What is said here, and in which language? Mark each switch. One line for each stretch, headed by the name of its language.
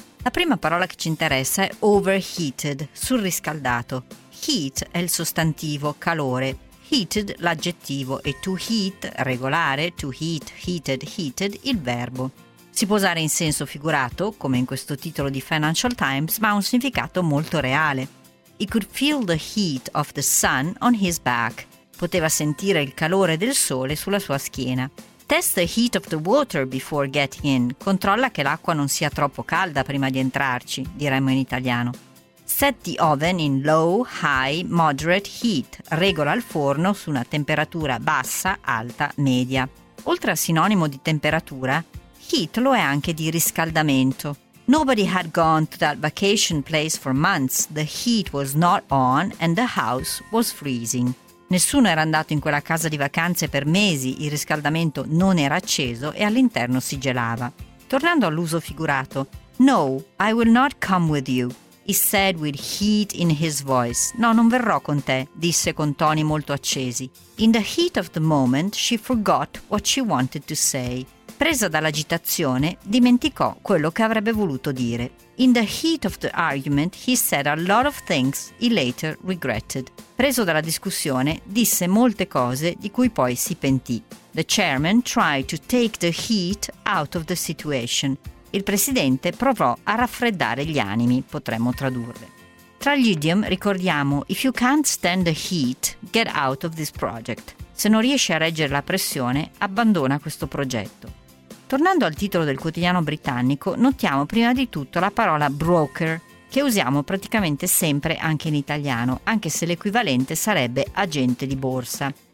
Italian: La prima parola che ci interessa è overheated, surriscaldato. Heat è il sostantivo, calore. Heated l'aggettivo e to heat, regolare, to heat, heated, heated, il verbo. Si può usare in senso figurato, come in questo titolo di Financial Times, ma ha un significato molto reale.
English: He could feel the heat of the sun on his back.
Italian: Poteva sentire il calore del sole sulla sua schiena.
English: Test the heat of the water before getting in.
Italian: Controlla che l'acqua non sia troppo calda prima di entrarci, diremmo in italiano.
English: Set the oven in low, high, moderate heat.
Italian: Regola il forno su una temperatura bassa, alta, media. Oltre al sinonimo di temperatura, heat lo è anche di riscaldamento.
English: Nobody had gone to that vacation place for months. The heat was not on and the house was freezing.
Italian: Nessuno era andato in quella casa di vacanze per mesi, il riscaldamento non era acceso e all'interno si gelava. Tornando all'uso figurato,
English: no, I will not come with you. He said with heat in his voice.
Italian: No, non verrò con te, disse con toni molto accesi.
English: In the heat of the moment, she forgot what she wanted to say.
Italian: Presa dall'agitazione, dimenticò quello che avrebbe voluto dire.
English: In the heat of the argument, he said a lot of things he later regretted.
Italian: Preso dalla discussione, disse molte cose di cui poi si pentì.
English: The chairman tried to take the heat out of the situation.
Italian: Il presidente provò a raffreddare gli animi, potremmo tradurre. Tra gli idiom ricordiamo
English: «If you can't stand the heat, get out of this project».
Italian: Se non riesci a reggere la pressione, abbandona questo progetto. Tornando al titolo del quotidiano britannico, notiamo prima di tutto la parola «broker», che usiamo praticamente sempre anche in italiano, anche se l'equivalente sarebbe «agente di borsa».